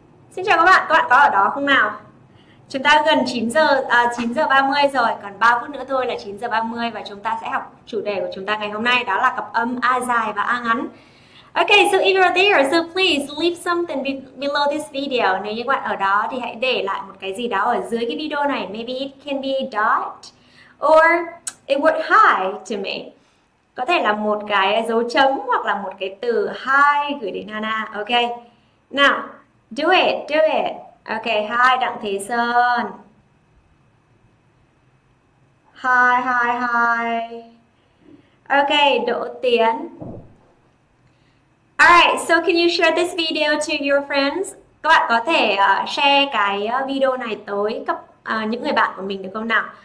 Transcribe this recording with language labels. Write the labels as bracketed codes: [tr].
[vi] Xin chào các bạn có ở đó không nào? Chúng ta gần 9:30 rồi, còn 3 phút nữa thôi là 9:30 và chúng ta sẽ học chủ đề của chúng ta ngày hôm nay, đó là cặp âm A dài và A ngắn. [en] Okay, so if you're there, so please leave something below this video. [vi] Nếu như bạn ở đó thì hãy để lại một cái gì đó ở dưới cái video này. [en] Maybe it can be a dot or a word hi to me. [vi] Có thể là một cái dấu chấm hoặc là một cái từ hi gửi đến Hana. [en] Okay. Now, do it. Okay, hi Đặng Thế Sơn. Hi. Okay, Đỗ Tiến. Alright, so can you share this video to your friends? [vi] Các bạn có thể share cái video này tới cấp những người bạn của mình được không nào?